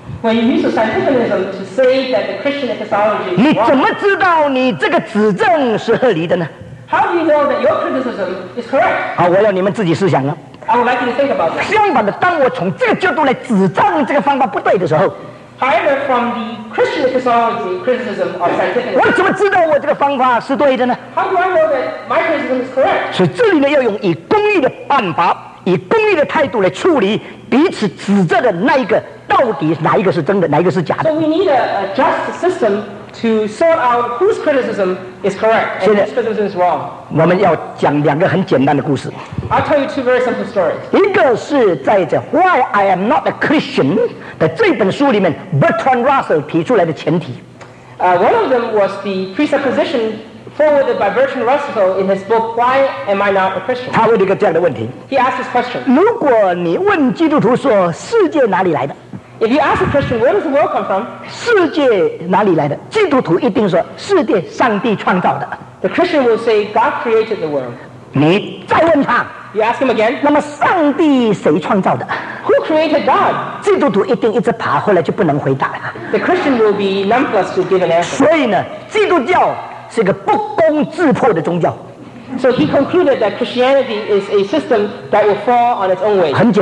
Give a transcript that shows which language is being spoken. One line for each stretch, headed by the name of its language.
English: When you use the scientificism to say that the Christian epistemology is wrong,
Chinese: 你怎么知道你这个指证是合理的呢？
English: How do you know that your criticism is correct?
Chinese: 好，我要你们自己思想了。
English: I would like you to think about this.
Chinese: 相反的，当我从这个角度来指证这个方法不对的时候，
English: However, from the Christian epistemology criticism of scientificism,
Chinese: 我怎么知道我这个方法是对的呢？
English: How do I know that my criticism is correct?
Chinese: 所以这里呢，要用以公义的办法，以公义的态度来处理彼此指证的那一个。到底哪一个是真的，哪一个是假的？
English: So we need a just system to sort out whose criticism is correct and whose criticism is wrong.
Chinese: 我们要讲两个很简单的故事。
English: I'll tell you two very simple stories.
Chinese: 一个是在这 Why I am not a Christian 的这本书里面 Bertrand Russell 提出来的前提。
English: One of them was the presupposition forwarded by Bertrand Russell in his book Why Am I Not a Christian?
Chinese: 他问了一个这样的问题。
English: He asked this question.
Chinese: 如果你问基督徒说世界哪里来的？
English: If you ask a Christian, where does the world come from?
Chinese: 世界哪里来的? 基督徒一定说, 世界上帝创造的。
English: The Christian will say, God created the world.
Chinese: 你再问他,
English: You ask him again?
Chinese: 那么上帝谁创造的?
English: Who created God?
Chinese: 基督徒一定一直爬, 后来就不能回答了。
English: The Christian will be numbless to give an answer.
Chinese: 所以呢, 基督教是个不攻自破的宗教。
English: So he concluded that Christianity is a system that will fall on its own weight.